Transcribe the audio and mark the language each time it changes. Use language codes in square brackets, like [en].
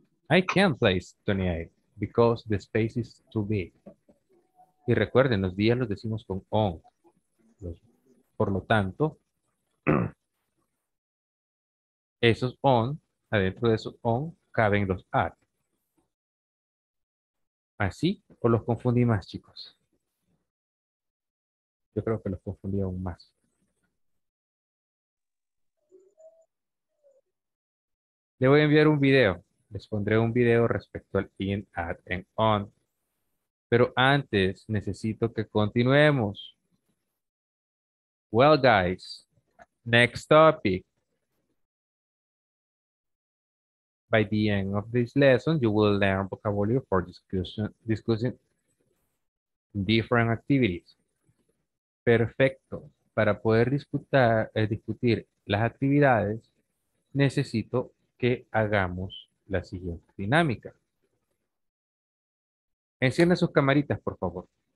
[en] I can't place 28 because the space is too big. [es] Y recuerden, los días los decimos con on. Por lo tanto, esos on, adentro de esos on, caben los at. ¿Así o los confundí más, chicos? Yo creo que los confundí aún más. Le voy a enviar un video. Les pondré un video respecto al in, at, and on. Pero antes necesito que continuemos. [en] Well, guys, next topic. By the end of this lesson, you will learn vocabulary for discussing different activities. [es] Perfecto. Para poder discutir las actividades, necesito que hagamos la siguiente dinámica. Encienda sus camaritas, por favor.